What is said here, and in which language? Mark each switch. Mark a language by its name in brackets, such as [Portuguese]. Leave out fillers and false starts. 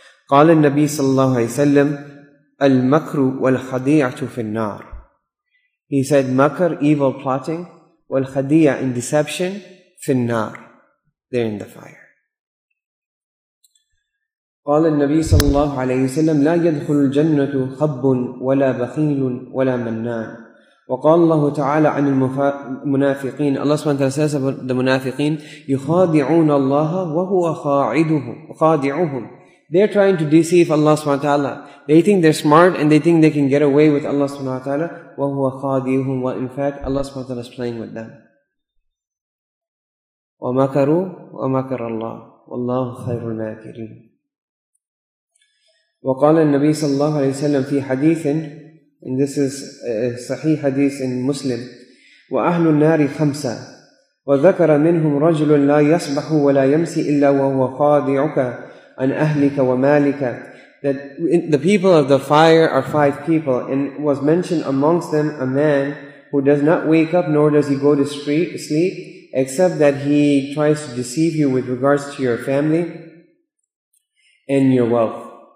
[Arabic] قال النبي صلى الله عليه وسلم المكر والخديعة في النار. [English] He said makr, evil plotting, [Arabic] والخديعة [English] in deception, [Arabic] في النار, [English] they're in the fire. [Arabic] قال النبي صلى الله عليه وسلم لا يدخل الجنة خب ولا بخيل ولا منان. وقال الله تعالى عن المنافقين, الله سبحانه وتعالى [English] says about the [Arabic] منافقين يخادعون الله وهو خادعهم. [English] They're trying to deceive Allah subhanahu wa ta'ala. They think they're smart and they think they can get away with Allah subhanahu wa ta'ala. [Arabic] وَهُوَ خَادِيُهُمْ وَإِنْ فَاتْ, [English] Allah subhanahu wa ta'ala is playing with them. [Arabic] وَمَكَرُوا وَمَكَرَ اللَّهُ وَاللَّهُ خَيْرُ الْمَاكِرِينَ. وَقَالَ النَّبِيُّ صَلَّى اللَّهُ عَلَيْهِ وَسَلَّمَ فِي حَدِيثٍ, [English] and this is a sahih hadith in Muslim, [Arabic] وَأَهْلُ النَّارِ خَمْسًا وَذَكَرَ مِنْهُمْ رَجُلٌ لَا يَصْبَحُ وَلَا يَمْسِي إِلَّا وَهُوَ خَادِعُكَ and ahlika wa malika. [English] That the people of the fire are five people, and was mentioned amongst them a man who does not wake up nor does he go to sleep except that he tries to deceive you with regards to your family and your wealth.